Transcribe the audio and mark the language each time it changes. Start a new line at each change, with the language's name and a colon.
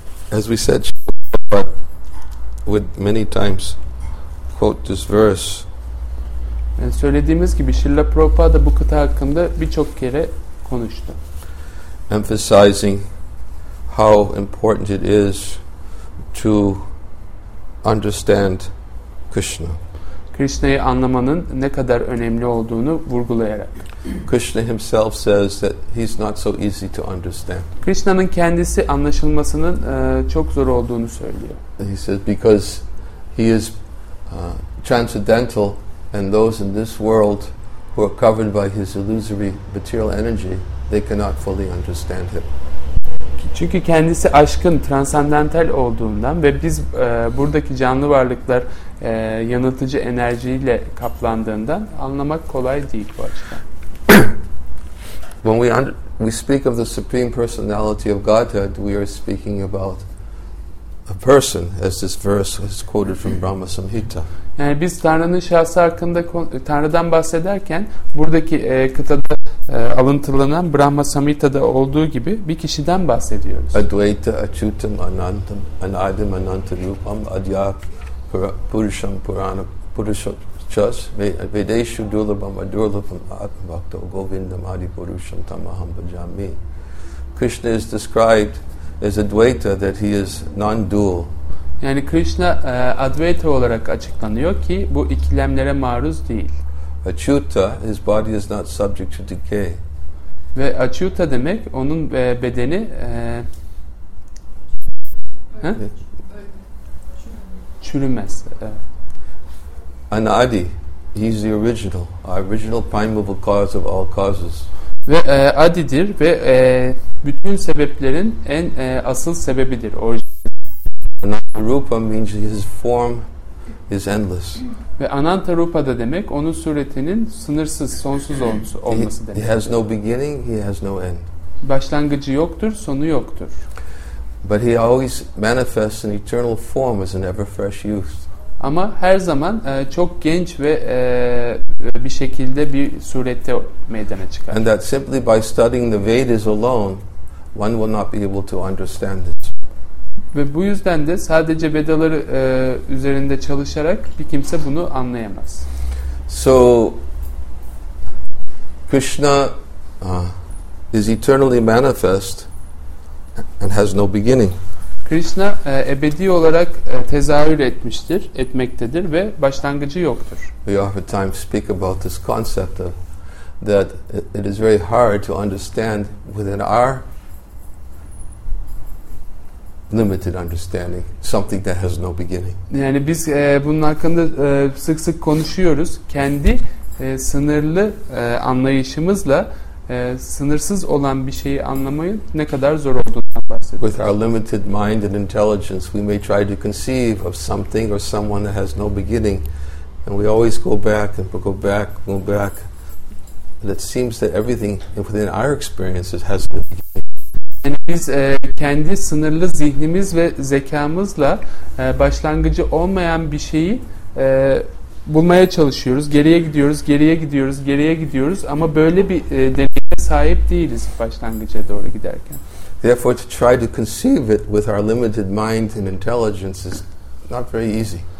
English: As we said, but with many times quote this verse.
Turkish: Yani söylediğimiz gibi Srila Prabhupada bu kıta hakkında birçok kere konuştu.
English: Emphasizing how important it is to understand Krishna.
Turkish: Krishna'yı anlamanın ne kadar önemli olduğunu vurgulayarak.
English: Krishna himself says that he's not so easy to understand. Krishna'nın kendisi anlaşılmasının çok zor olduğunu söylüyor. He says because he is transcendental, and those in this world who are covered by his illusory material energy, they cannot fully understand him.
Turkish: Çünkü kendisi aşkın, transcendental olduğundan ve biz buradaki canlı varlıklar yanıltıcı enerjiyle kaplandığından anlamak kolay değil bu açıdan.
English: When we speak of the Supreme Personality of Godhead, we are speaking about a person, as this verse is quoted from Brahma Samhita.
Turkish: Yani biz Tanrı'nın şahsı hakkında, Tanrı'dan bahsederken buradaki kıtada alıntılanan Brahma Samhita'da olduğu gibi bir kişiden bahsediyoruz.
Sanskrit: Advaita Achyutam Anantam Anadim Anantarupam Adya Purusham Purana Purushachas Vedeshu Durlabham Adurlabham Atmabhakta Govindam Adipurusham Tamaham Bhajami.
English: Krishna is described as Advaita, that he is non-dual.
Turkish: Yani Krishna Advaita olarak açıklanıyor ki bu ikilemlere maruz değil.
English: Achyuta, his body is not subject to decay.
Turkish: Ve Achyuta demek onun bedeni çürümez.
English: Anadi, he's the original, our original primeval cause of all causes.
Turkish: Ve Adi'dir ve bütün sebeplerin en asıl sebebidir, orijinal.
English: Rupa means his form is endless.
Turkish: Ve Ananta Rupa da demek onun suretinin sınırsız, sonsuz olması demek.
English: He has no beginning, he has no end.
Turkish: Başlangıcı yoktur, sonu yoktur.
English: But he always manifests an eternal form as an ever fresh youth.
Turkish: Ama her zaman çok genç ve bir şekilde bir surette meydana çıkar.
English: And that simply by studying the Vedas alone, one will not be able to understand it.
Turkish: Ve bu yüzden de sadece Vedaları üzerinde çalışarak bir kimse bunu anlayamaz.
English: So Krishna is eternally manifest and has no beginning.
Turkish: Krishna ebedi olarak tezahür etmiştir, etmektedir ve başlangıcı yoktur.
English: We often time speak about this concept of that it is very hard to understand within our limited understanding something that has no beginning.
Turkish: Yani biz bunun hakkında sık sık konuşuyoruz. Kendi sınırlı anlayışımızla sınırsız olan bir şeyi anlamayı ne kadar zor olduğundan bahsediyor.
English: With our limited mind and intelligence, we may try to conceive of something or someone that has no beginning, and we always go back and go back, go back. And it seems that everything within our experiences has no beginning.
Turkish: Yani biz kendi sınırlı zihnimiz ve zekamızla başlangıcı olmayan bir şeyi bulmaya çalışıyoruz. Geriye gidiyoruz, geriye gidiyoruz, geriye gidiyoruz ama böyle bir deneyime sahip değiliz başlangıca doğru giderken.
English: Therefore to try to conceive it with our limited mind and intelligence is not very easy.